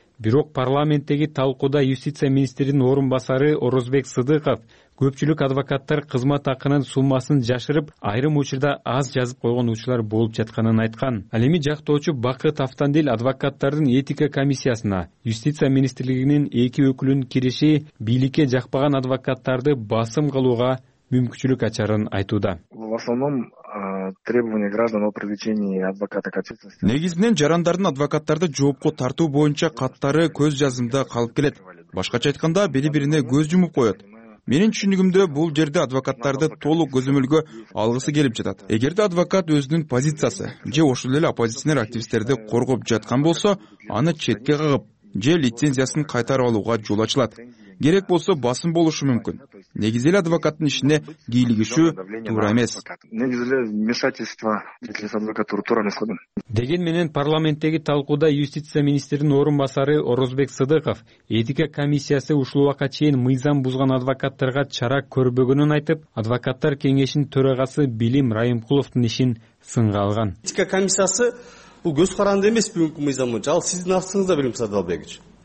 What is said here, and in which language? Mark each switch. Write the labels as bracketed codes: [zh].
[ky] Бирок парламенттеги талкууда юстиция министринин орун басары Орозбек Сыдыков көпчүлүк адвокаттар кызмат акынын суммасын жашырып, айрым учурда аз жазып койгон учурлар болуп жатканын айткан. Ал эми жактоочу Бакыт Автандил адвокаттардын этика комиссиясына юстиция министрлигинин эки өкүлүнүн кириши бийликке жакпаган адвокаттарды басым кылууга мүмкүнчүлүк ачарын айтууда. [ru] В основном требования граждан о привлечении адвоката к ответственности. [ky] Негизинен жарандардын адвокаттарды жоопко тартуу боюнча каттары көз жазымда калып келет. Башкача айтканда, бири бирине көз жумуп коет. Менин түшүнүгүмдө бул жерде адвокаттарды толук көзөмөлгө алгысы келип жатат. Эгерде адвокат өзүнүн позициясы же ошол эле оппозиционер активисттерди коргоп жаткан болсо, аны четке кагып, же лицензиясын кайтарып алууга жол ачылат. Керек болсо басым болушу мүмкүн. Негизи эле адвокаттын ишине кийлигишүү туура эмес. Негизи эле [ru] вмешательство в адвокатуру [ky] туура эмес. Деген менен парламенттеги талкууда юстиция министринин орун басары Орозбек Сыдыков этика комиссиясы ушул убакка чейин мыйзам бузган адвокаттарга чара көрбөгөнүн айтып, адвокаттар кеңешинин төрагасы Билим Райымкуловдун ишин сынга алган. Этика комиссиясы бул көз каранды эмес бүгүнкү мыйзам боюнча, ал сиздин артыңызда, Билим Садалбекович.